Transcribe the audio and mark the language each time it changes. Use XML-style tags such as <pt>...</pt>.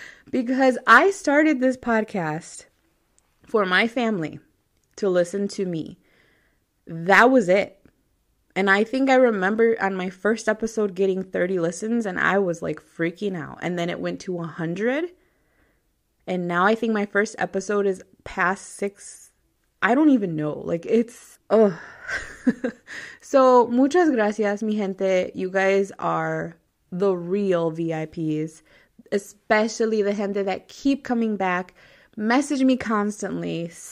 <en>Because I started this podcast for my family to listen to me. That was it. And I think I remember on my first episode getting 30 listens and I was like freaking out. And then it went to 100. And now I think my first episode is past 6. I don't even know. Like, it's... Ugh.</en> <es>So, muchas gracias, mi gente.</es> <en>You guys are the real VIPs. Especially the gente that keep coming back. Message me constantly.</en>